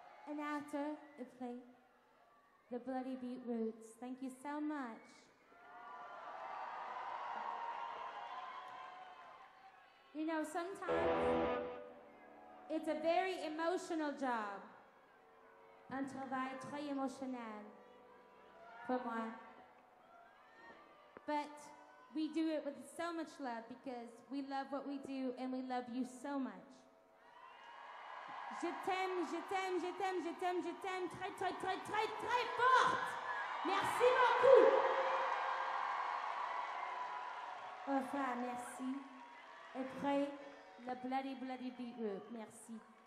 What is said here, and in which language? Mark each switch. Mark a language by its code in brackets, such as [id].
[en] And after the play, the Bloody Beat Roots. Thank you so much. You know, sometimes it's a very emotional job. [fr] Un travail très émotionnel pour moi. [en] But we do it with so much love because we love what we do and we love you so much. [fr] Je t'aime, je t'aime, je t'aime, je t'aime, je t'aime, très, très, très, très, très fort! Merci beaucoup! Au revoir, merci. Et après, le bloody, bloody beat, merci.